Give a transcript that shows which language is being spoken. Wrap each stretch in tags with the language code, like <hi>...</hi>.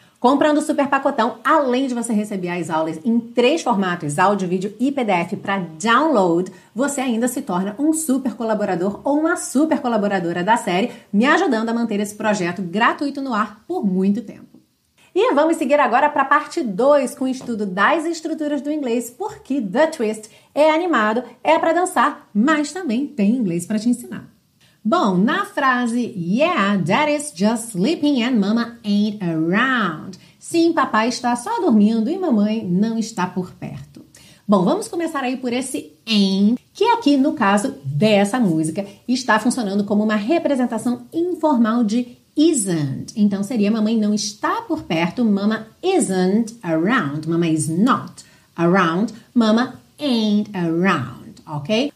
<pt>Comprando o super pacotão, além de você receber as aulas em três formatos, áudio, vídeo e PDF para download, você ainda se torna um super colaborador ou uma super colaboradora da série, me ajudando a manter esse projeto gratuito no ar por muito tempo. E vamos seguir agora para a parte 2 com o estudo das estruturas do inglês, porque The Twist é animado, é para dançar, mas também tem inglês para te ensinar. Bom, na frase,</pt> <en>yeah, dad is just sleeping and mama ain't around.</en> <pt>Sim, papai está só dormindo e mamãe não está por perto. Bom, vamos começar aí por esse ain't, que aqui no caso dessa música está funcionando como uma representação informal de isn't. Então seria mamãe não está por perto,</pt> <en>mama isn't around, mama is not around, mama ain't around.</en> <pt>Ok?</pt>